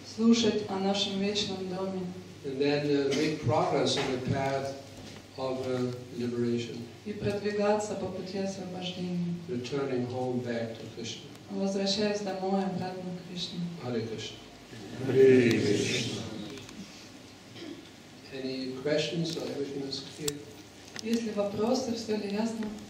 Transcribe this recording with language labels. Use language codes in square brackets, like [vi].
[ru] Слушать о нашем вечном доме. [en] And then make progress on the path of liberation. [ru] И продвигаться по пути освобождения. [en] Returning home back to Krishna. [ru] Возвращаясь домой, обратно к Кришне. Харе Кришна. Харе Кришна. [en] Any questions or everything is clear? [ru] Есть ли вопросы, все ли ясно?